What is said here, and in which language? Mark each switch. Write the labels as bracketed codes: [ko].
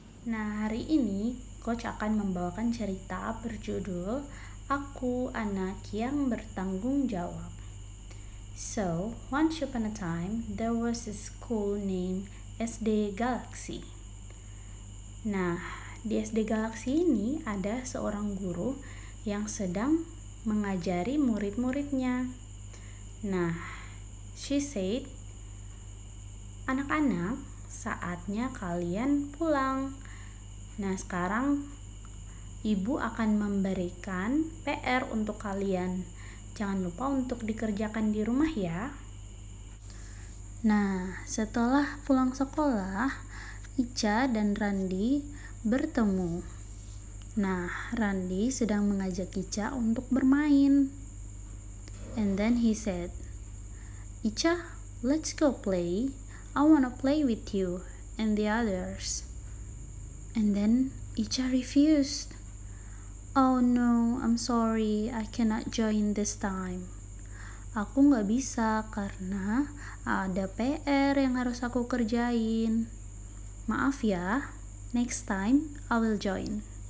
[id] Nah, hari ini Coach akan membawakan cerita berjudul Aku Anak Yang Bertanggung Jawab. [en] So, once upon a time, there was a school named SD Galaxy. [id] Nah, di SD Galaxy ini ada seorang guru yang sedang mengajari murid-muridnya. Nah, [en] she said, [id] anak-anak, saatnya kalian pulang. Nah, sekarang ibu akan memberikan PR untuk kalian. Jangan lupa untuk dikerjakan di rumah ya. Nah, setelah pulang sekolah, Ica dan Randi bertemu. Nah, Randi sedang mengajak Ica untuk bermain. [en] And then he said, Ica, let's go play. I wanna play with you and the others. And then Ica refused. Oh no, I'm sorry, I cannot join this time. [id] Aku gak bisa karena ada PR yang harus aku kerjain. Maaf ya, [en] next time I will join.